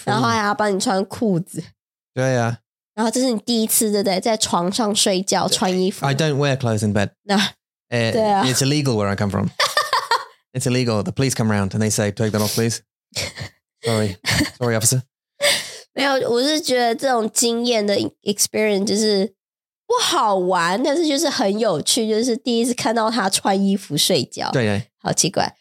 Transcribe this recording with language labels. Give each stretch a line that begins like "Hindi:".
Chinese: 然后还要帮你穿裤子。对啊。然后这是你第一次对不对，在床上睡觉穿衣服。
English: I don't wear clothes in bed. No. Yeah. It's illegal where I come from. It's illegal. The police come around and they say, "Take that off, please." Sorry, officer.
Chinese: 没有，我是觉得这种经验的 experience 就是不好玩，但是就是很有趣，就是第一次看到他穿衣服睡觉。对，好奇怪。